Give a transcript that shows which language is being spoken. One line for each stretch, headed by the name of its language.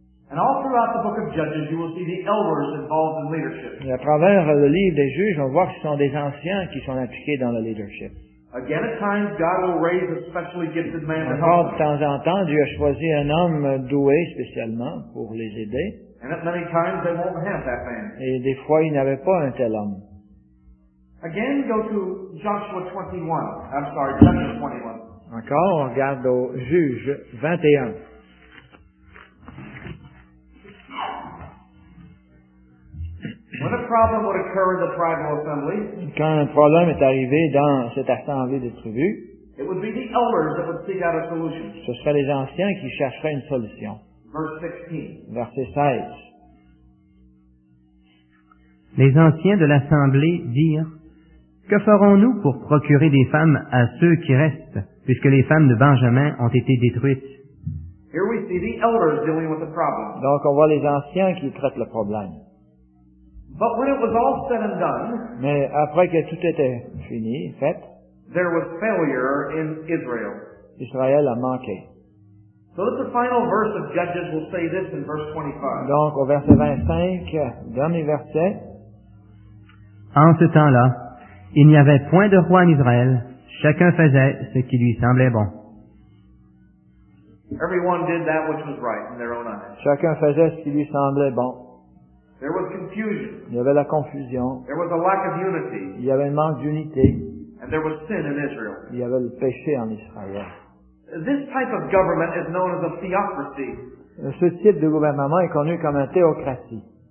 English: And all throughout the book of Judges, you will see the elders involved in leadership.
French: Et à travers le livre des juges, on voit que ce sont des anciens qui sont impliqués dans le leadership.
English: Again, at times, God will raise a specially gifted man.
French: Encore de temps en temps, Dieu a choisi un homme doué spécialement pour les aider.
English: And at many times, they won't have that man.
French: Et des fois, ils n'avaient pas un tel homme.
English: Again, go to Joshua 21. I'm sorry, Judges 21.
French: Encore, on regarde au juge 21.
English: When a problem would occur in the tribal assembly,
French: quand un problème est arrivé dans cette assemblée de tribus,
English: it would be the elders that would seek out a solution.
French: Ce seraient les anciens qui chercheraient une solution.
English: Verse 16.
French: Verset 16. Les anciens de l'assemblée dirent, que ferons-nous pour procurer des femmes à ceux qui restent, puisque les femmes de Benjamin ont été détruites?
English: Here we see the elders dealing with the problem.
French: Donc on voit les anciens qui traitent le problème.
English: But when it was all said and done,
French: mais après que tout était fini, fait,
English: there was failure in Israel.
French: Israël a manqué.
English: So that the final verse of Judges will say this in verse 25.
French: Donc au verset 25, dernier verset. En ce temps-là, il n'y avait point de roi en Israël. Chacun faisait ce qui lui semblait bon.
English: Everyone did that which was right in their own eyes.
French: Chacun faisait ce qui lui semblait bon.
English: There was confusion.
French: Il y avait la confusion.
English: There was a lack of unity.
French: Il y avait un manque d'unité.
English: And there was sin in Israel.
French: Il y avait le péché en Israël.
English: This type of government is known as a theocracy.
French: Ce type de gouvernement est connu comme un théocratie.